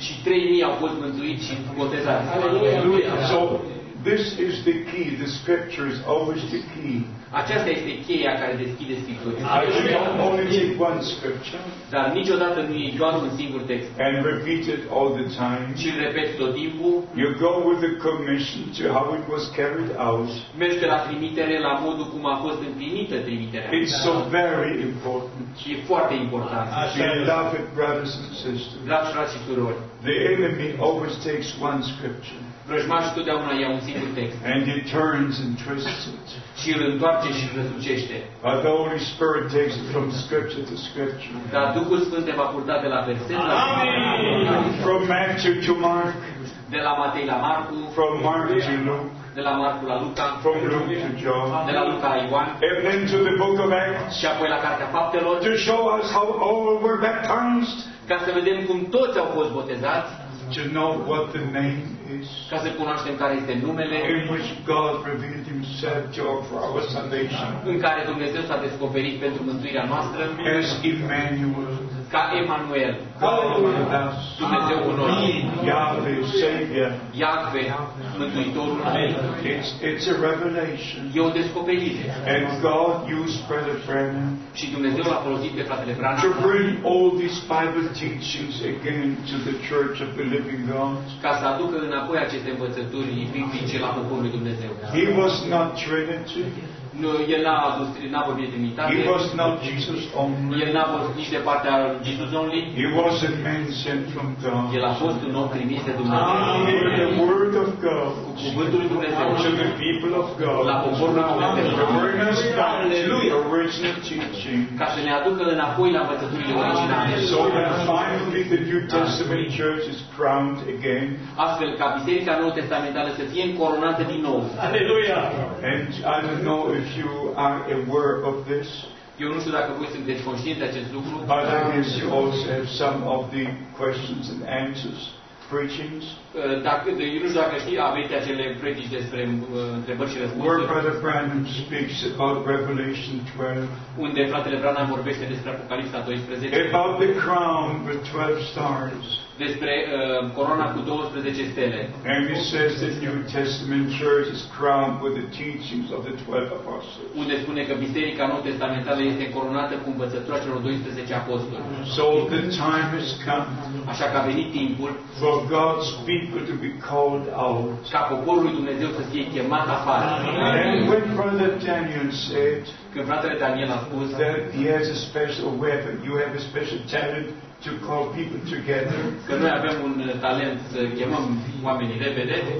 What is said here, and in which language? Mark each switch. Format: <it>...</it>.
<ro>Și 3,000 au fost mântuiți și botezați.</ro> <en>Aleluia. So this is the key. The scripture is always the key.</en> <ro>Aceasta este cheia care deschide scripturile.</ro> <en>I should not only take one scripture.</en> <ro>Dar niciodată nu e doar un singur text.</ro> <en>And repeat it all the time.</en> <ro>Și repet tot timpul.</ro> <en>You go with the commission to how it was carried out.</en> <ro>Mergi la trimitere, la modul cum a fost împlinită trimiterea.</ro> <en>It's so very important.</en> <ro>Și e foarte important.</ro> <en>Beloved brothers and sisters.</en> <ro>Dragi frați și surori.</ro> <en>The enemy always takes one scripture.</en> <ro>Vrăjmașul totdeauna ia un singur text.</ro> <en>And it turns and twists it.</en> <ro>Și îl întoarce și îl răsucește.</ro> <en>But the Holy Spirit takes it from scripture to scripture.</en> <ro>Dar Duhul Sfânt te va purta de la verset la</ro> <en>verset. From Matthew to Mark.</en> <ro>De la Matei la Marcu.</ro> <en>From Mark to Luke.</en> <ro>De la Marcu la Luca.</ro> <en>From Luke to John.</en> <ro>De la Luca la Ioan.</ro> <en>And then to the book of Acts.</en> <ro>Și apoi la Cartea Faptelor.</ro> <en>To show us how all were baptized.</en> <ro>Ca să vedem cum toți au fost botezați.</ro> <en>To know what the name is.</en> <ro>Ca să cunoaștem care este numele.</ro> <en>In which God revealed Himself to us for our salvation.</en> <ro>În care Dumnezeu s-a descoperit pentru mântuirea noastră.</ro> <en>As Emmanuel.</en> <ro>Ca Emmanuel.</ro> <en>God with</en> <ro>us. Dumnezeu cu noi.</ro> <en>Yahweh, Savior.</en> <ro>Yahweh, Mântuitorul.</ro> <en>It's a revelation.</en> <ro>E o descoperire.</ro> <en>And God used Brother Branham.</en> <ro>Și Dumnezeu l-a folosit pe fratele Branham.</ro> <en>To bring all these Bible teachings again to the Church of the Living God.</en> <ro>Ca să aducă înapoi aceste învățături biblice la poporul lui Dumnezeu.</ro> <en>He was not Trinity.</en> <ro>Nu, el n-a adus, n-a vorbit de Trinitate.</ro> <en>He was not Jesus only.</en> <ro>El n-a fost nici de partea lui Jesus only.</ro> <en>He was a man sent from God.</en> <ro>El a fost un om trimis de Dumnezeu.</ro> <en>Ah, the word of God.</en> <ro>Cu cuvântul lui Dumnezeu.</ro> <en>To the people of God.</en> <ro>La poporul lui Dumnezeu.</ro> <en>To bring us back to the original teaching.</en> <ro>Ca să ne aducă înapoi la învățăturile originale.</ro> <en>So that finally the New Testament church is crowned again.</en> <ro>Astfel ca biserica nouă testamentală să fie încoronată din nou. Aleluia.</ro> <en>And I don't know if you are aware of this.</en> <ro>Eu nu știu dacă voi sunteți conștienți de acest lucru.</ro> <en>But I guess you also have some of the questions and answers preachings.</en> <ro>Dacă știi, aveți acele predici despre întrebări și răspunsuri.</ro> <en>Where Brother Branham speaks about Revelation 12.</en> <ro>Unde fratele Branham vorbește despre Apocalipsa 12.</ro> <en>About the crown with 12 stars.</en> <ro>despre corona cu 12 stele.</ro> <en>And he says the New Testament church is crowned with the teachings of the 12 apostles.</en> <ro>Unde spune că biserica Noua Testamentală este coronată cu învățătura celor 12 apostoli.</ro> <en>So the time has come.</en> <ro>Așa că a venit timpul.</ro> <en>For God's people to be called out.</en> <ro>Ca poporul lui Dumnezeu să fie chemat afară.</ro> <en>When Brother Daniel said,</en> <ro>când fratele Daniel a spus,</ro> <en>that he has a special weapon, you have a special talent to call people together.</en> <ro>Că noi avem un talent să chemăm oamenii repede.</ro>